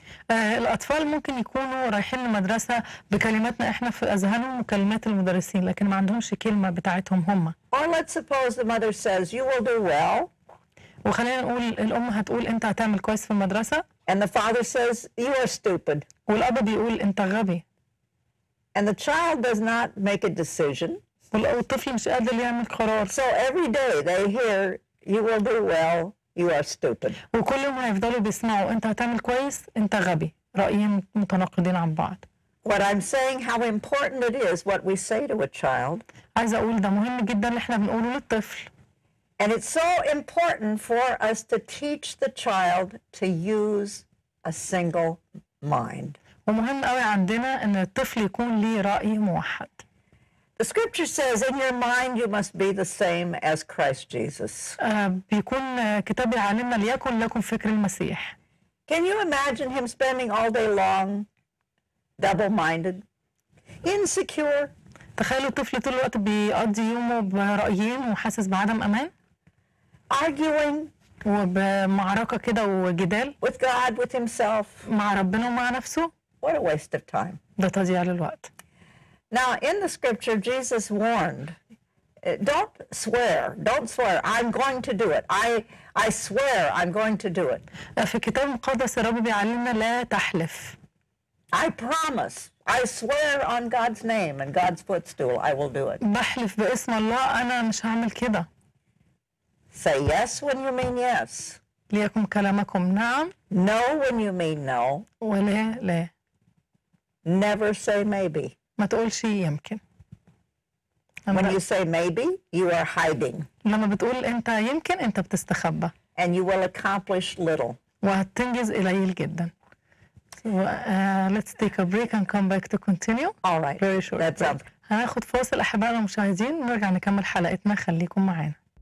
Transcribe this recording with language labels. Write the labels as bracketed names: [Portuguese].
[Arabic] الأطفال ممكن يكونوا رايحين المدرسة بكلماتنا إحنا في أذهانهم وكلمات المدرسين لكن ما عندهمش كلمة بتاعتهم هم. [English] Or let's suppose the mother says you will do well. [Arabic] وخلينا نقول الأم هتقول أنت هتعمل كويس في المدرسة. [English] And the father says, you are stupid. [Arabic] والأب بيقول أنت غبي. [English] And the child does not make a decision. [Arabic] والطفل مش قادر يعمل قرار. [English] So every day they hear, you will do well, you are stupid. [Arabic] وكل يوم هيفضلوا بيسمعوا أنت هتعمل كويس، أنت غبي. رأيين متناقضين عن بعض. [English] What I'm saying, how important it is what we say to a child. [Arabic] عايز أقول ده مهم جدا اللي إحنا بنقوله للطفل. [English] And it's so important for us to teach the child to use a single mind. [Arabic] ومهم قوي عندنا ان الطفل يكون ليه رأي موحد. [English] The scripture says in your mind you must be the same as Christ Jesus. [Arabic] بيكون كتاب يعلمنا ليكن لكم فكر المسيح. [English] Can you imagine him spending all day long double-minded, insecure? [Arabic] تخيلوا الطفل طول الوقت بيقضي يومه برأيين وحاسس بعدم أمان. [English] Arguing [Arabic] وبمعركة كده وجدال [English] with God, with himself. [Arabic] مع ربنا ومع نفسه. [English] What a waste of time. [Arabic] ده تضييع للوقت. [English] Now in the scripture Jesus warned, don't swear, don't swear, I'm going to do it. I swear I'm going to do it. [Arabic] في الكتاب المقدس الرب بيعلمنا لا تحلف. [English] I promise, I swear on God's name and God's footstool, I will do it. [Arabic] بحلف باسم الله أنا مش هعمل كده. [English] Say yes when you mean yes. [Arabic] ليكن كلامكم نعم. [English] No when you mean no. [Arabic] ولا لا. [English] Never say maybe. [Arabic] ما تقولش يمكن. [English] When you say maybe, you are hiding. [Arabic] لما بتقول انت يمكن انت بتستخبى. [English] And you will accomplish little. [Arabic] وهتنجز قليل جدا. [English] So, let's take a break and come back to continue. All right. Very short. That's up. [Arabic] هناخد فاصل أحبائنا المشاهدين ونرجع نكمل حلقتنا، خليكم معانا.